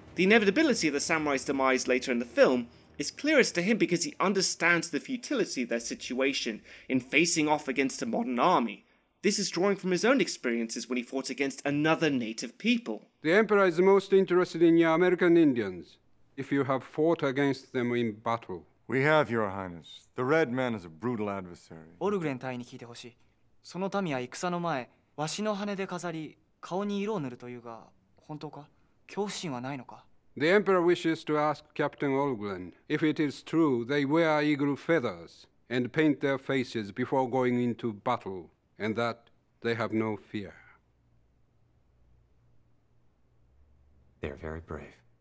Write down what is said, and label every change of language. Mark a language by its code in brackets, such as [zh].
[en] The inevitability of the samurai's demise later in the film is clearest to him because he understands the futility of their situation in facing off against a modern army. This is drawing from his own experiences when he fought against another native people. The Emperor is most interested in your American Indians, if you have fought against them in battle. We have, Your Highness. The Red Man is a brutal adversary. [ja] Algren 隊に聞いてほしい。その民は戦の前、わしの羽で飾り、顔に色を塗るというが、本当か？恐怖心はないのか？ [en] The Emperor wishes to ask Captain Algren if it is true they wear eagle feathers and paint their faces before going into battle, and that they have no fear. They are very brave.